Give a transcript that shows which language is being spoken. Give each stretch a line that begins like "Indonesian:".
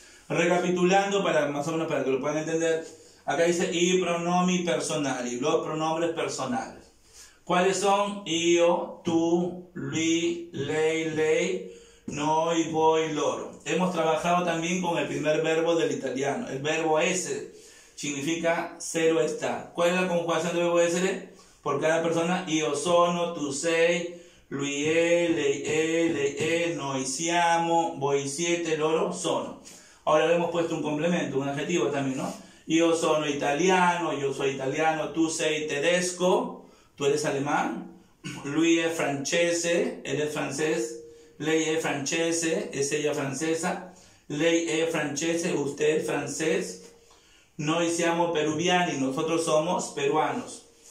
Spanish: Recapitulando, para más o menos para que lo puedan entender, acá dice
Italian: i pronomi personali,
Spanish: los pronombres personales. ¿Cuáles son?
Italian: Io, tú, lui, lei, lei, noi, voi, loro.
Spanish: Hemos trabajado también con el primer verbo del italiano. El verbo essere significa ser o estar. ¿Cuál es la conjugación del verbo essere? Por cada persona,
Italian: io sono, tu sei, lui è, lei è, lei è, noi siamo, voi siete, loro sono.
Spanish: Ahora le hemos puesto un complemento, un adjetivo también, ¿no?
Italian: Io sono italiano,
Spanish: yo soy italiano,
Italian: tu sei tedesco,
Spanish: tú eres alemán,
Italian: lui è francese,
Spanish: él es francés,
Italian: lei è francese,
Spanish: es ella francesa, lei è francese, usted es francés,
Italian: noi siamo peruviani,
Spanish: nosotros somos peruanos.